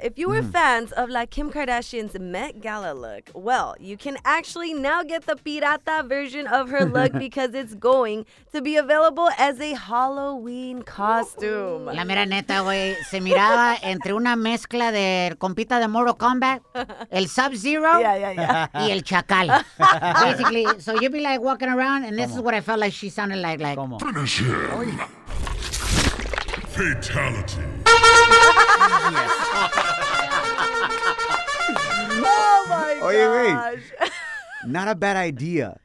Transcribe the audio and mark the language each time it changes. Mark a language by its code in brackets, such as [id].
[en] If you were fans of La Kim Kardashian's Met Gala look, well, you can actually now get the pirata version of her look because it's going to be available as a Halloween costume. [es] La mera neta, güey, se miraba entre una mezcla de compita de Mortal Kombat, el Sub-Zero, y el Chacal. [en] Basically, so you'd be like walking around, and this ¿Cómo? Is what I felt like she sounded like. [es] ¿Cómo? [en] Finish him. Oy. Fatality. Oh my gosh. [es] Oye, güey. [en] Not a bad idea.